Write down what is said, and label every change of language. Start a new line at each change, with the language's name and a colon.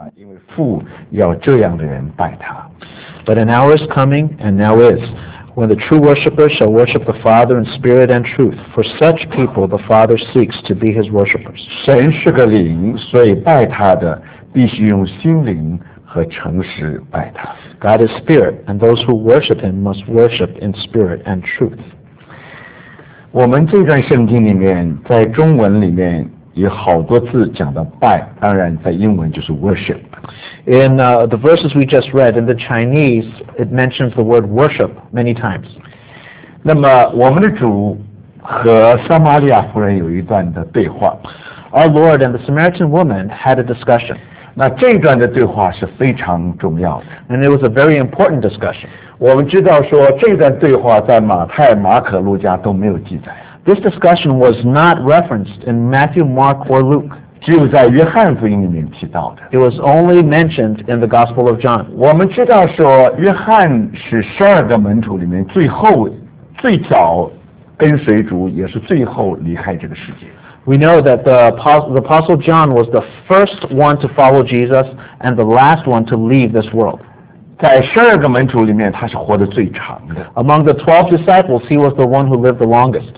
Chinese: 因为父要这样的人拜他。
English: But an hour is coming, and now is, when the true worshippers shall worship the Father in spirit and truth. For such people the Father seeks to be his worshippers.
Chinese: 神是个灵，所以拜他的必须用心灵和诚实拜他。
English: God is spirit, and those who worship him must worship in spirit and truth.
Chinese: 我们这段圣经里面，在中文里面有好多字讲到拜，当然在英文就是 worship。
English: In the verses we just read, in the Chinese, it mentions the word worship many times.
Chinese: 那么我们的主和撒玛利亚夫人有一段的对话。
English: Our Lord and the Samaritan woman had a discussion.
Chinese: 那这一段的对话是非常重要的。
English: And it was a very important discussion.
Chinese: 我们知道说这段对话在马太、马可、路加都没有记载。
English: This discussion was not referenced in Matthew, Mark, or Luke.
Chinese: 只有在约翰福音里面提到的。
English: It was only mentioned in the Gospel of John.
Chinese: 我们知道说约翰是十二个门徒里面最后最早跟随主，也是最后离开这个世界。
English: We know that the Apostle John was the first one to follow Jesus and the last one to leave this world.
Chinese: 在十二个门徒里面，他是活得最长的。
English: Among the 12 disciples, he was the one who lived the longest.